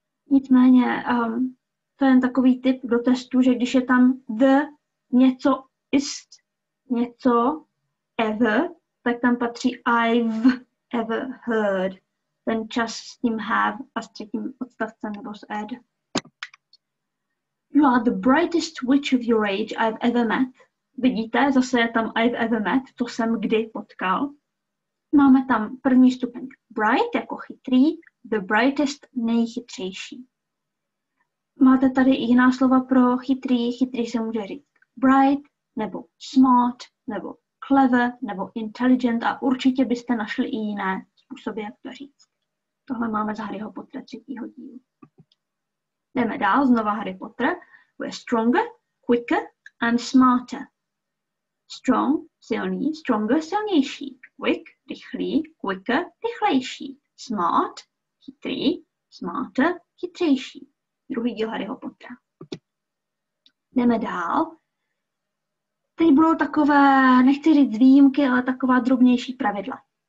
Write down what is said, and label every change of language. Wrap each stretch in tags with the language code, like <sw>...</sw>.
<cs>Nicméně, to je jen takový tip do testu, že když je tam the, něco ist, něco ever, tak tam patří</cs> <en>I've ever heard.</en> <cs>Ten čas s tím have a s třetím odstavcem nebo s ed.</cs> <en>You are the brightest witch of your age I've ever met.</en> <cs>Vidíte, zase je tam</cs> <en>I've ever met,</en> <cs>to jsem kdy potkal. Máme tam první stupeň bright, jako chytrý, the brightest, nejchytřejší. Máte tady i jiná slova pro chytrý. Chytrý se může říct bright, nebo smart, nebo clever nebo intelligent a určitě byste našli i jiné způsoby, jak to říct. Tohle máme z Harryho Pottera 3. dílu. Jdeme dál, znova Harry Potter.</cs> <en>We're stronger, quicker and smarter.</en> <cs>Strong, silný, stronger, silnější. Quick, rychlý, quicker, rychlejší. Smart, chytrý, smarter, chytřejší. 2. díl Harryho Pottera. Jdeme dál. Teď budou takové, nechci říct výjimky, ale taková drobnější pravidla.</cs>